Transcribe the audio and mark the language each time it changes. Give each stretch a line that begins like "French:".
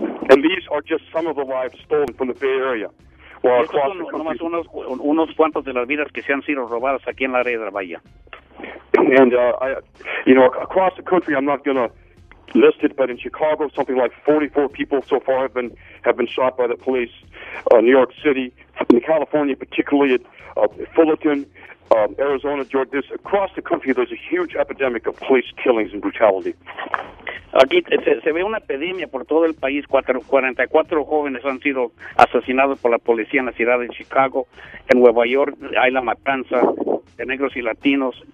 English: And these are just some of the lives stolen from the Bay Area.
Spanish: Unos cuantos de las vidas que se han sido robadas aquí en la área de la Bahía.
English: And, across the country, I'm not going to list it, but in Chicago, something like 44 people so far have been shot by the police. New York City, in California, particularly at Fullerton, Arizona, Georgia, this, across the country, there's a huge epidemic of police killings and brutality.
Spanish: Aquí se ve una epidemia por todo el país. 44 jóvenes han sido asesinados por la policía en la ciudad de Chicago. En Nueva York hay la matanza de negros y latinos.